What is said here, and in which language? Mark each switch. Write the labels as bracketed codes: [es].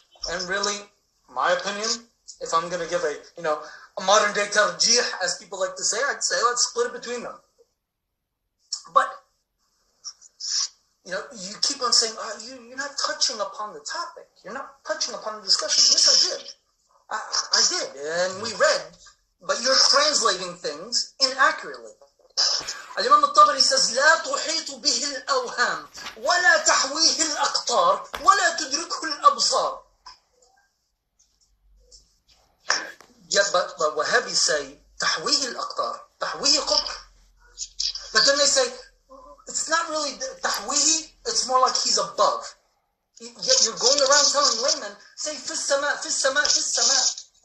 [en] And really, my opinion, if I'm going to give a, you know, a modern day tarjih, as people like to say, I'd say, let's split it between them. But, you know, you keep on saying, oh, you're not touching upon the topic. You're not touching upon the discussion. Yes, I did. I did. And we read. But you're translating things inaccurately. Al-Imam al-Tabari says, [ar] لا تحيط به الأوهام ولا تحويه الأقطار ولا تدركه الأبصار. [en] Yeah, but the Wahhabis say, [ar] تحويه الأقطار, تحويه قطر. [en] But then they say, it's not really تحويه, it's more like he's above. Yet you're going around telling laymen, say, [ar] في السماء, في السماء, في السماء.